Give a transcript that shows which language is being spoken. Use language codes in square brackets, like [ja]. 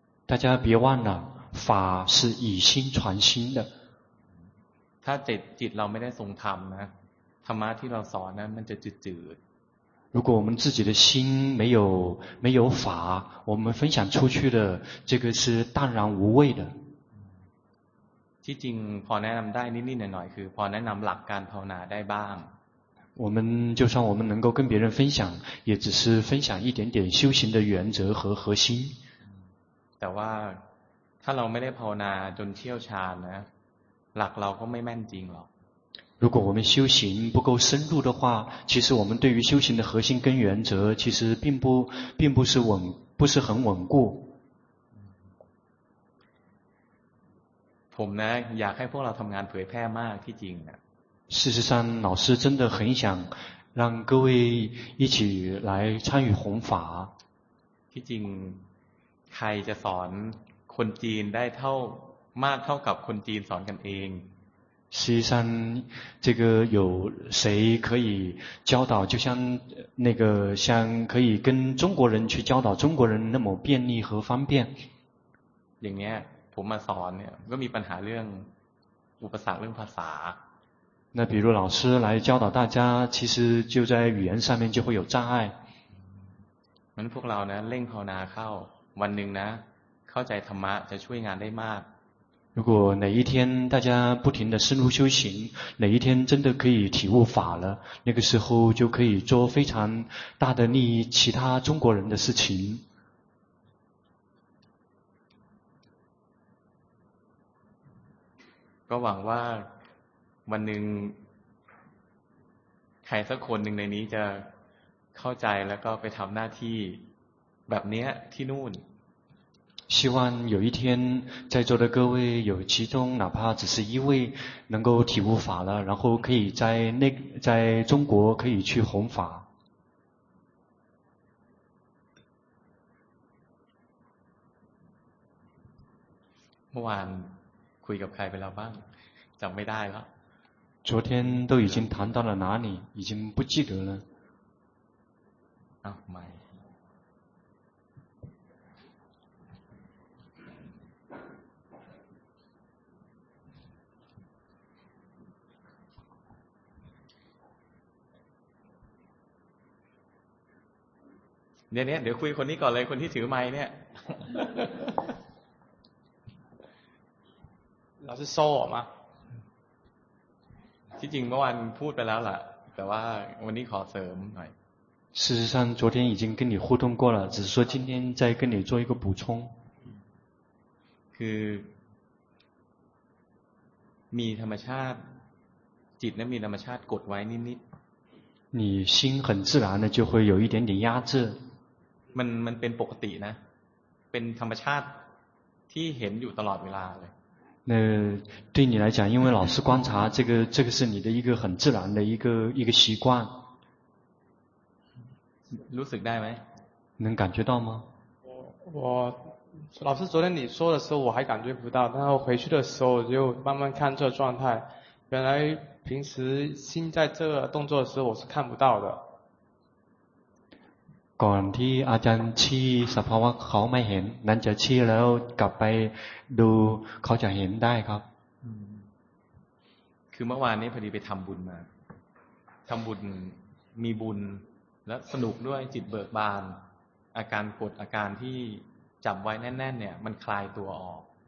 [zh] 大家别忘了法是以心传心的 [th] ถ้าจิตเราไม่ได้ทรงธรรมนะธรรมะที่เราสอนนั้นมันจะจืด [zh] 如果我们自己的心没有法我们分享出去的这个是淡然无味的 [th] ที่จริงพอแนะนำได้นิดๆหน่อยๆคือพอแนะนำหลักการภาวนาได้บ้าง [zh] 我们就算我们能够跟别人分享也只是分享一点点修行的原则和核心 [th] แต่ว่าถ้าเราไม่ได้ภาวนาจนเชี่ยวชาญนะหลักเราก็ไม่แม่นจริงหรอก [zh] 如果我们修行不够深入的话其实我们对于修行的核心跟原则其实并不是很稳固 [th] ผมนะอยากให้พวกเราทำงานเผยแพร่มากที่จริงนะ [zh] 事实上老师真的很想让各位一起来参与弘法 [th] ที่จริงใครจะสอนคนจีนได้เท่ามากเท่ากับคนจีนสอนกันเอง [zh] 实际上这个有谁可以教导就像那个像可以跟中国人去教导中国人那么便利和方便 [th] อย่างเนี้ยผมมาสอนเนี่ยก็มีปัญหาเรื่องอุปสรรคเรื่องภาษา [zh] 那比如老师来教导大家其实就在语言上面就会有障碍 [th] มันพวกเรานะเร่งภาวนาเข้าวันหนึ่งนะเ ข้าใจธรรมะจะช่วยงานได้มาก [zh] 如果哪一天大家不停地深入修行，哪一天真的可以体悟法了，那个时候就可以做非常大的利益其他中国人的事情。 [th] ก็หวังว่าวันหนึ่งใครสักคนหนึ่งในนี้จะเข้าใจแล้วก็ไปทำหน้าที่แบบนี้ที่นู่น [zh] 希望有一天在座的各位有其中哪怕只是一位能够体悟法了然后可以在那在中国可以去弘法 [th] เมื่อวานคุยกับใครไปแล้วบ้างจำไม่ได้แล้ว [zh] 昨天都已经谈到了哪里已经不记得了 [th] อ้าวไม่เนี่ยเนี่ยเดี๋ยวคุยคนนี้ก่อนเลยคนที่ถือไมค์เนี่ย เราจะโซ่มา ที่จริงเมื่อวานพูดไปแล้วล่ะแต่ว่าวันนี้ขอเสริมหน่อย [zh] 事实上昨天已经跟你互动过了只是说今天再跟你做一个补充 [th] คือมีธรรมชาติจิตนั้นมีธรรมชาติกดไว้นิดนิด [zh] 你心很自然的就会有一点点压制 [th] มันเป็นปกตินะเป็นธรรมชาติที่เห็นอยู่ตลอดเวลาเลย [zh] 那对你来讲因为老是观察这个是你的一个很自然的一个习惯 [th] รู้สึกได้ไหม [zh] 能感觉到吗我老师昨天你说的时候我还感觉不到但是回去的时候我就慢慢看这个状态原来平时心在这个动作的时候我是看不到的 [th] ก่อนที่อาจารย์ชี้สภาวะเขาไม่เห็นนั้นจะชี้แล้วกลับไปดูเขาจะเห็นได้ครับ คือเมื่อวานนี้พอดีไปทำบุญมาทำบุญมีบุญและสนุกด้วยจิตเบิกบานอาการกดอาการที่จับไว้แน่นๆเนี่ยมันคลายตัวออก